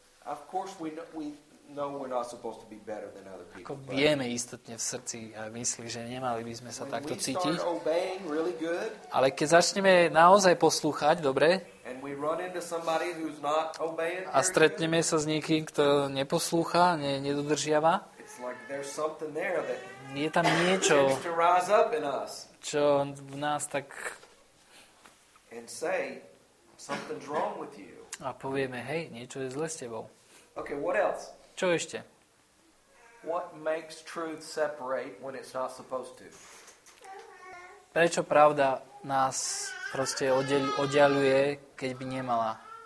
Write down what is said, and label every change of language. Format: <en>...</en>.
<en>Of course we know we're not supposed to be better than other people.</en> <sk>Ako vieme istotne v srdci a myslí, že nemali by sme sa takto cítiť.</sk> <en>Really good,</en> <sk>ale keď začneme naozaj poslúchať, dobre?</sk> <en>And we run into somebody who's not obeying.</en> <sk>A stretneme sa s niekým, kto neposlúcha, nedodržiava.</sk> <en>It's like there's something there that</en> <sk>je tam niečo, čo v nás tak</sk> <en>and say something's wrong with you.</en> <sk>A povieme, hej, niečo je zle s tebou.</sk> <en>Okay, what else?</en> <sk>Čo ešte?</sk> <en>What makes truth separate when it's not supposed to?</en> <sk>Prečo pravda nás proste oddialuje, keď by nemala?</sk>